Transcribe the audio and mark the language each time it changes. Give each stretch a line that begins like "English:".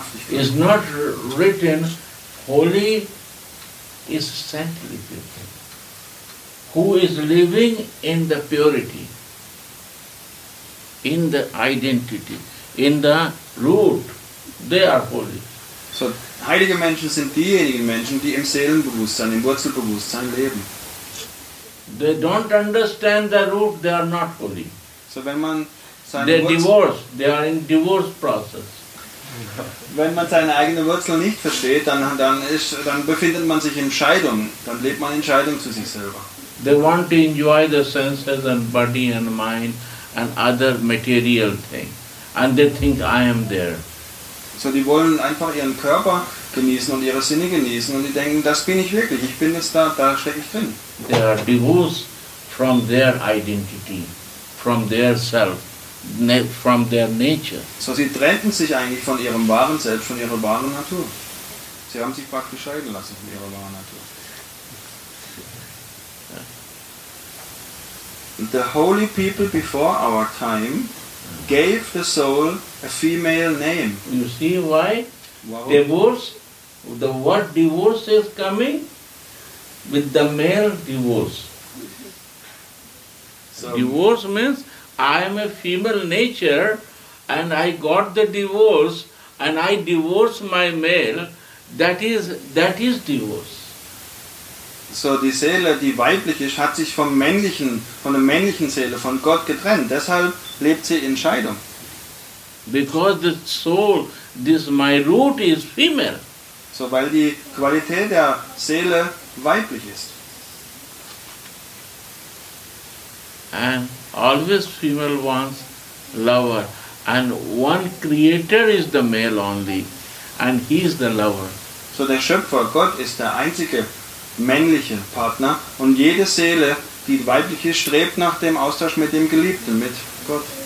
English: Is not written holy is saintly people who is living in the purity, in the identity, in the root. They are holy.
German: So heilige Menschen sind diejenigen Menschen, die im Seelenbewusstsein, im Wurzelbewusstsein leben.
English: They don't understand the root, they are not holy.
German: So wenn man seine
English: they divorce, they are in divorce process.
German: Wenn man seine eigene Wurzel nicht versteht, dann befindet man sich in Scheidung, dann lebt man in Scheidung zu sich selber.
English: They want to enjoy the senses and body and mind and other material things. And they think I am there.
German: So die wollen einfach ihren Körper genießen und ihre Sinne genießen und die denken, das bin ich wirklich, ich bin jetzt da stecke ich drin.
English: They are divorced from their identity, from their self. From their nature.
German: So sie trennten sich eigentlich von ihrem wahren Selbst, von ihrer wahren Natur. Sie haben sich praktisch scheiden lassen von ihrer wahren Natur.
English: The holy people before our time gave the soul a female name. You see why? Divorce, the word divorce is coming with the male divorce. So, divorce means I am a female nature and I got the divorce and I divorce my male, that is divorce.
German: So die Seele, die weiblich ist, hat sich vom männlichen, von der männlichen Seele, von Gott getrennt. Deshalb lebt sie in Scheidung.
English: Because the soul, this my root is female.
German: So weil die Qualität der Seele weiblich ist.
English: And always female wants lover, and one creator is the male only, and he is the lover.
German: So der Schöpfer, Gott, ist der einzige männliche Partner, und jede Seele, die weiblich ist, strebt nach dem Austausch mit dem Geliebten, mit Gott.